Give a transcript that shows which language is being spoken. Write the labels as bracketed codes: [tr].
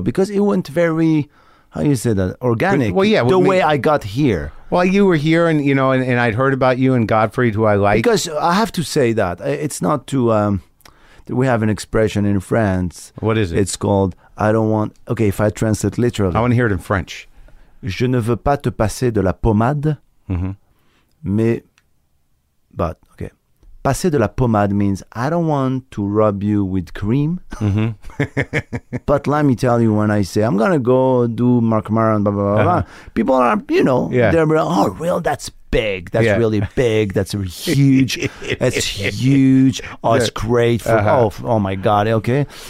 [en] Because it went very, how you say that, organic. Well, yeah, the way I got here. Well, you were here, and you know, and I'd heard about you and Gottfried, who I like. Because I have to say that it's not to. We have an expression in France. What is it? It's called "I don't want." Okay, if I translate literally, I want to hear it in French. [fr] Je ne veux pas te passer de la pommade, [en] but okay. [fr] Passer de la pommade [en] means I don't want to rub you with cream. Mm-hmm. But let me tell you, when I say I'm going to go do Marc Maron, blah, blah, blah, blah, people are, you know, they're like, oh, real? That's big. That's really big. That's huge. That's huge. Oh, it's great. Oh, my God. Okay.